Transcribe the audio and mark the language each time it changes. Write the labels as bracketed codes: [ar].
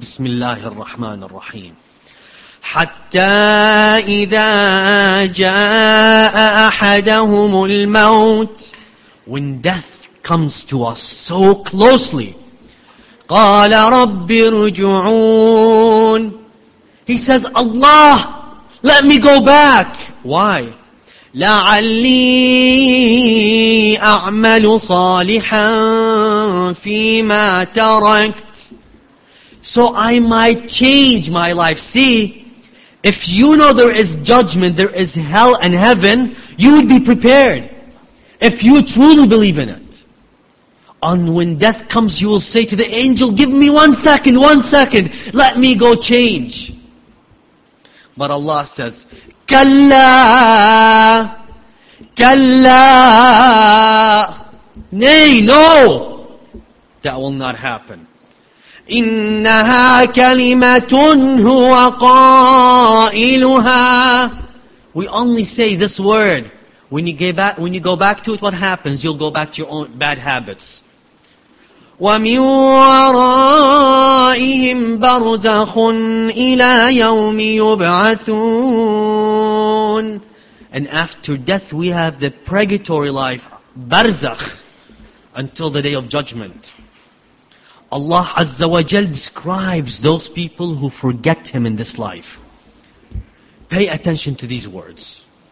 [ar] بسم الله الرحمن الرحيم. حتى إذا جاء أحدهم الموت. [en] When death comes to us so closely, [ar] قال رب ارجعون. [en] He says, Allah, let me go back. Why? [ar] لعلي أعمل صالحا فيما تركت. [en] So I might change my life. See, if you know there is judgment, there is hell and heaven, you would be prepared. If you truly believe in it. And when death comes, you will say to the angel, give me one second, let me go change. But Allah says, Kalla, Kalla, nay, no, that will not happen. [ar] إنها كلمة هو قائلها. [en] We only say this word. When you go back to it, what happens? You'll go back to your own bad habits. [ar] ومن ورائهم برزخ إلى يوم يبعثون. [en] And after death we have the purgatory life, barzakh, until the day of judgment. Allah Azza wa Jal describes those people who forget Him in this life. Pay attention to these words.